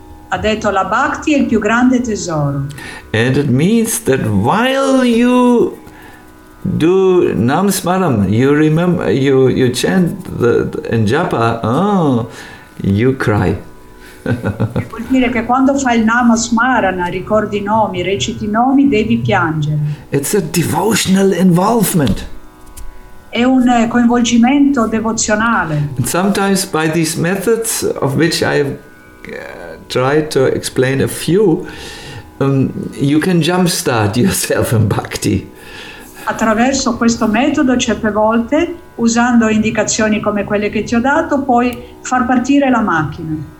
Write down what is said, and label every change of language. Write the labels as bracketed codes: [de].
[it] Ha detto la bhakti è il più grande tesoro. [en] And it means that while you do namasmaram, you remember, you chant the in japa, oh, you cry. [it] Vuol dire che quando fai il namasmarana, ricordi i nomi, reciti i nomi, devi piangere. [en] It's a devotional involvement. [it] È un coinvolgimento devozionale. [en] And sometimes by these methods, of which I have tried to explain a few, you can jumpstart yourself in bhakti. [it] Attraverso questo metodo, certe volte, usando indicazioni come quelle che ti ho dato, puoi far partire la macchina.